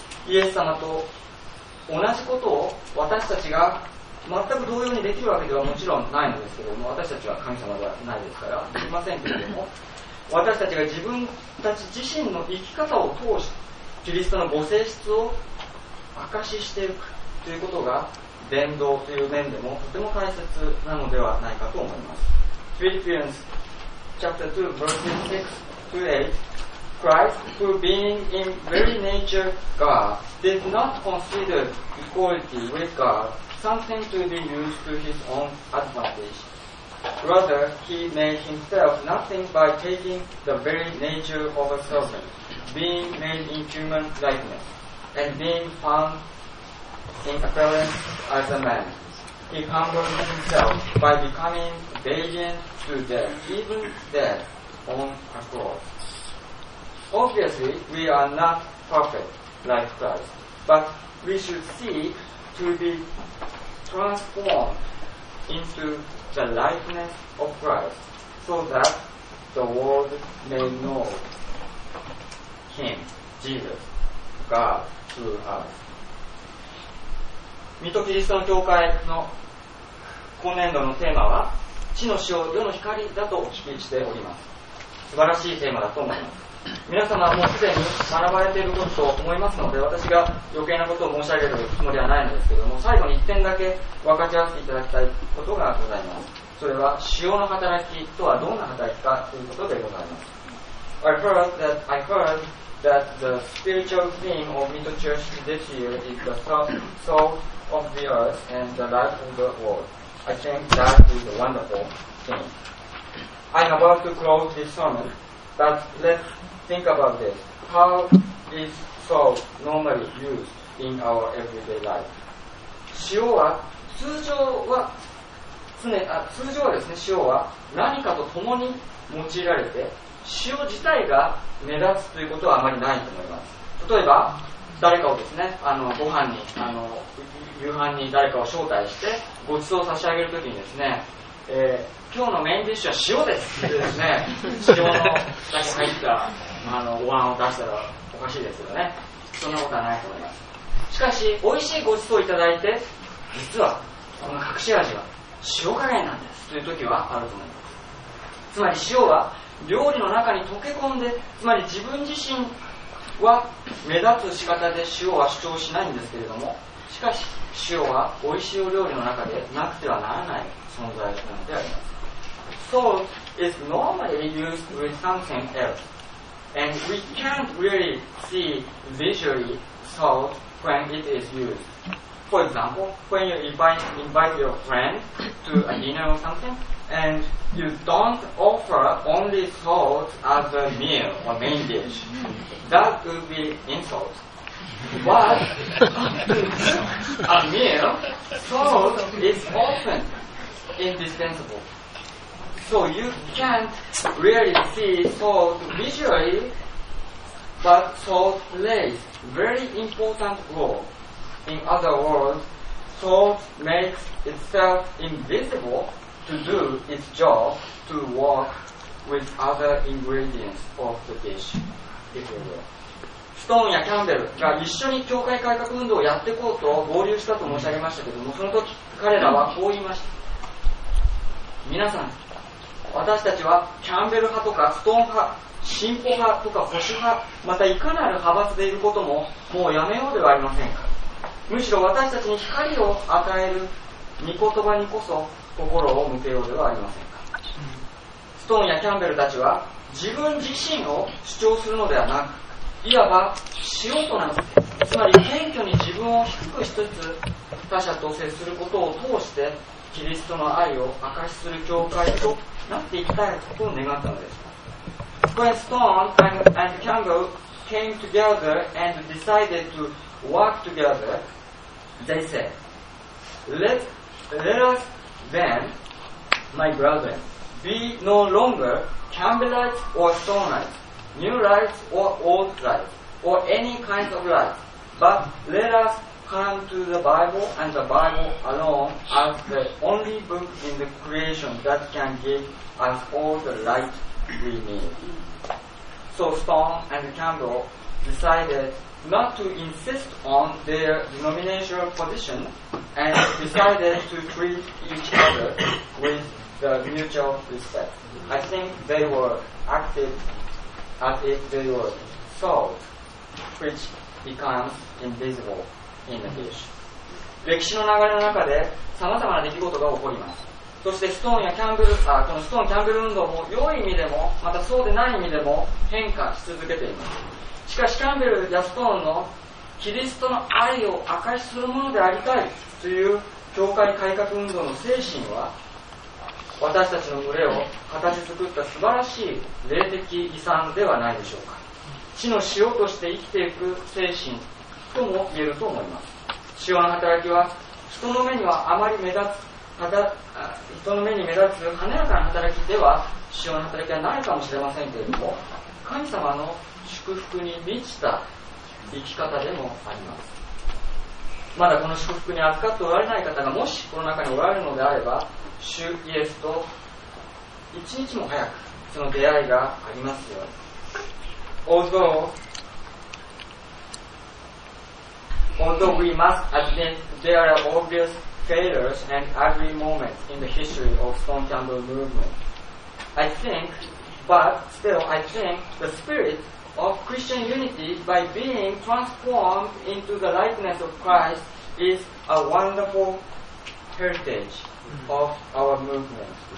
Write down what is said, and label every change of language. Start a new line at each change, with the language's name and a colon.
Japanese: イエス様と同じことを私たちが全く同様にできるわけではもちろんないのですけれども、私たちは神様ではないですからできませんけれども、私たちが自分たち自身の生き方を通してキリストのご性質を明かししていくということが、伝道という面でもとても大切なのではないかと思います。
English: Philippians chapter 2 verses 6 to 8 Christ, who being in very nature God, did not consider equality with God something to be used to his own advantage. Rather, he made himself nothing by taking the very nature of a servant, being made in human likeness, and being foundin appearance as a man. He humbled himself by becoming obedient to death, even death on a cross. Obviously, we are not perfect like Christ, but we should seek to be transformed into the likeness of Christ so that the world may know Him, Jesus, God through us.
Japanese: 水戸キリストの教会の今年度のテーマは、地の塩、世の光だとお聞きしております。素晴らしいテーマだと思います。皆様はもうすでに学ばれていることと思いますので、私が余計なことを申し上げるつもりはないのですけれども、最後に1点だけ分かち合わせていただきたいことがございます。それは塩の働きとはどんな働きかということでございます。
English: I heard that the spiritual theme of Mito Church this year is the soul of the earth and the life of the world. I think that is a wonderful thing. I'm about to close this sermon, but let's think about this. How is soul normally used in our everyday life?
Japanese: 塩は通常は常、あ、通常はですね、塩は何かと共に用いられて、塩自体が目立つということはあまりないと思います。例えば誰かをですね、ご飯に夕飯に誰かを招待してご馳走を差し上げるときにですね、今日のメインディッシュは塩ですってですね塩の下に入ったお椀を出したらおかしいですよね。そんなことはないと思います。しかし美味しいご馳走をいただいて、実はこの隠し味は塩加減なんですというときはあると思います。つまり塩は料理の中に溶け込んで、つまり自分自身は目立つ仕方で塩は主張しないんですけれども、しかし塩は美味しいお料理の中でなくてはならない存在なのであります。
English: Salt is normally used with something else and we can't really see visually salt when it is used. For example, when you invite your friend to a dinner or something and you don't offer only salt as a meal or main dish, that would be insult. But a meal, salt is often indispensable. So you can't really see salt visually, but salt plays very important role. In other words, salt makes itself invisible. To do its job to work with other ingredients of the dish, if you will.
Japanese: ストーンやキャンベルが一緒に教会改革運動をやっていこうと合流したと申し上げましたけれども、その時彼らはこう言いました。皆さん、私たちはキャンベル派とかストーン派、進歩派とか保守派、またいかなる派閥でいることももうやめようではありませんか。むしろ私たちに光を与える御言葉にこそ心を向けようではありませんか。ストーンやキャンベルたちは自分自身を主張するのではなく、いわば塩となって、つまり謙虚に自分を低くしつつ他者と接することを通してキリストの愛を明かしする教会となっていきたいと願ったのです。
English: When Stone and Campbell came together and decided to work together, they said, Let us then, my brethren, be no longer Campbellites or Stoneites, new lights or old lights, or any kind of lights, but let us come to the Bible and the Bible alone as the only book in the creation that can give us all the light we need. So Stone and Campbell decided not to insist on their denominational position and decided to treat each other with the mutual respect. I think they were acted as if they were salt, which becomes invisible in the dish.
Japanese: 歴史の流れの中で様々な出来事が起こります。そしてストーンやキャンベル、このストーン・キャンベル運動も良い意味でも、またそうでない意味でも変化し続けています。しかしキャンベル・ヤストーンのキリストの愛を明かしするものでありたいという教会改革運動の精神は、私たちの群れを形作った素晴らしい霊的遺産ではないでしょうか。地の塩として生きていく精神とも言えると思います。塩の働きは人の目にはあまり目立つ、人の目に目立つ華やかな働きでは塩の働きはないかもしれませんけれども、神様の祝福に満ちた生き方でもあります。まだこの祝福に預かっておられない方がもしこの中におられるのであれば、主イエスと一日も早くその出会いがありますように。
English: Although we must admit there are obvious failures and ugly moments in the history of Stone Candle movement, I think But still, I think the spirit of Christian unity by being transformed into the likeness of Christ is a wonderful heritage of our movement.